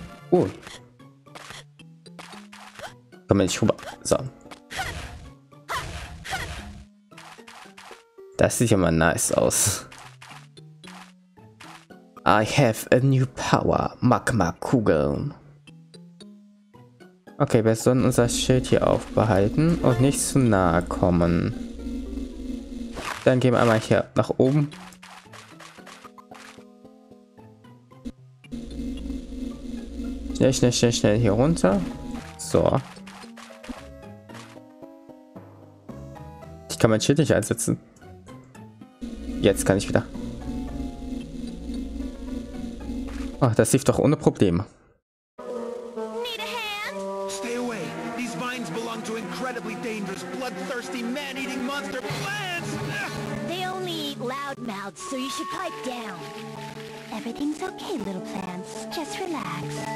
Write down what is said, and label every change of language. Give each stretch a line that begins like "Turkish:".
German: Oh. Komm nicht rüber. So. Das sieht ja mal nice aus.
English: I have a new power, Magma-Kugeln.
German: Okay, wir sollen unser Schild hier aufbehalten und nicht zu nahe kommen. Dann gehen wir einmal hier nach oben. Schnell, schnell, schnell, schnell hier runter. So. Ich kann mein Schild nicht einsetzen. Jetzt kann ich wieder. Oh, das lief doch ohne Probleme.
English: Need a hand? Stay away. These vines belong to incredibly dangerous, bloodthirsty, man-eating monster plants. They only eat loudmouths, so you should pipe down. Everything's okay, little plants. Just relax.